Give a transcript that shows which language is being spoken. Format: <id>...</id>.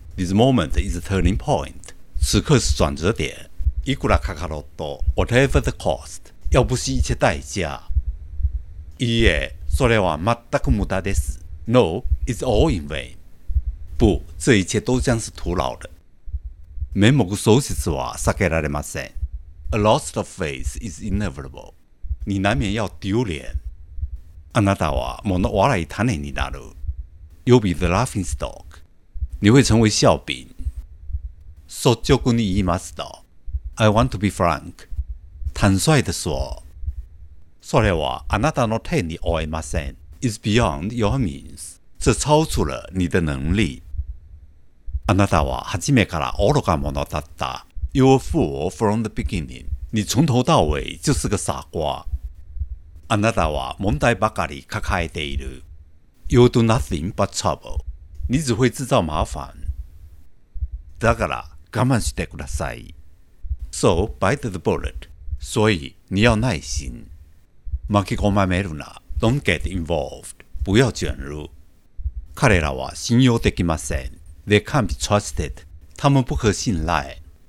<en>This moment is a turning point.</en> <zh>此刻是转折点。</zh> <ja>いくらかかろうと、</ja> <en>whatever the cost,</en> <zh>要不是一切代价。</zh> <ja>いいえ、それは全く無駄です。</ja> <en>No, it's all in vain.</en> <zh>不、这一切都将是徒劳的。</zh> <ja>面目喪失は避けられません。</ja> <en>A loss of face is inevitable.</en> <zh>你难免要丢脸。</zh> <ja>あなたはもの笑い種になる。</ja> <en>You'll be the laughing stock.</en> <zh>你会成为笑柄。</zh> <ja>率直に言いますと。</ja> <en>I want to be frank.</en> <zh>坦率地说。</zh> <ja>それはあなたの手に負えません。</ja> <en>It's beyond your means.</en> <zh>这超出了你的能力。</zh> <ja>あなたは初めから愚か者だった。</ja> <en>You're a fool from the beginning.</en> <zh>你从头到尾就是个傻瓜。</zh> <ja>あなたは問題ばかり抱えている。</ja> <en>You'll do nothing but trouble.</en> <zh>你只会制造麻烦。</zh> <ja>だから我慢してください。</ja> <en>So, bite the bullet.</en> <zh>所以你要耐心。</zh> <ja>巻き込まれるな。</ja> <en>Don't get involved.</en> <zh>不要卷入。</zh> <ja>彼らは信用できません。</ja> <en>They can't be trusted.</en> <zh>他们不可信赖。</zh>